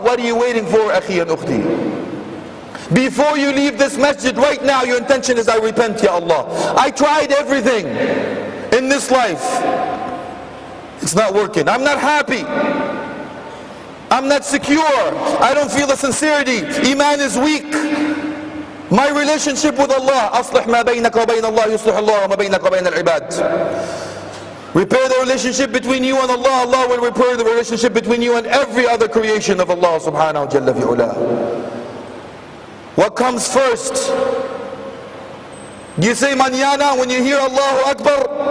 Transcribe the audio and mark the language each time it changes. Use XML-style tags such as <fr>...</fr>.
<en>What are you waiting for,</en> <ar>أخي</ar> <en>and</en> <ar>أختي?</ar> <en>Before you leave this masjid right now, your intention is I repent, Ya Allah. I tried everything in this life. It's not working. I'm not happy. I'm not secure. I don't feel the sincerity. Iman is weak. My relationship with Allah,</en> <ar>أصلح ما بينك وبين الله يصلح الله وما بينك وبين العباد.</ar> <en>Repair the relationship between you and Allah, Allah will repair the relationship between you and every other creation of Allah subhanahu wa jalla fi ula. What comes first? You say manana when you hear Allahu Akbar?</en>